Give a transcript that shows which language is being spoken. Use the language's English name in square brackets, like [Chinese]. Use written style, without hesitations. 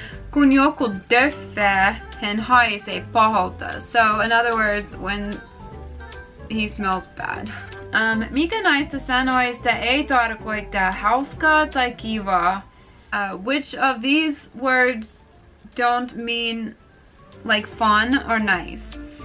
[Finnish] Kun joku töffää, hän haisee pahalta. [English] So in other words, when he smells bad. [Finnish] Mikä näistä sanoista ei tarkoita hauskaa tai kivaa? [English] Which of these words don't mean like fun or nice?